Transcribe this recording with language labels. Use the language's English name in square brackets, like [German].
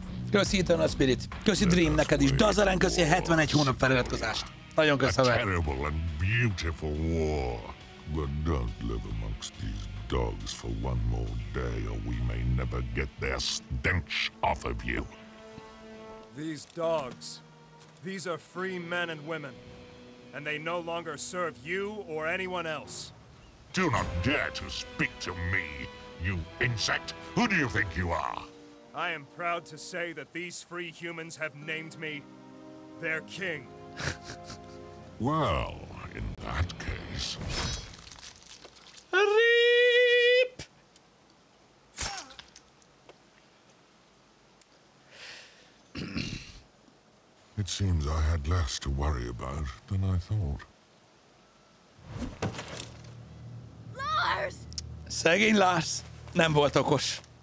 [Hungarian] Köszi Eternal Spirit, köszi Dream neked is, Dazaren köszi 71 hónap feliratkozást. Nagyon köszönöm. [English] A terrible and beautiful war But don't live amongst these dogs for one more day, or we may never get their stench off of you. These dogs, these are free men and women, and they no longer serve you or anyone else. Do not dare to speak to me, you insect. Who do you think you are? I am proud to say that these free humans have named me their king. Well, in that case... Reap! It seems I had less to worry about than I thought. Lars! [Hungarian] Szegény Lars, nem volt okos.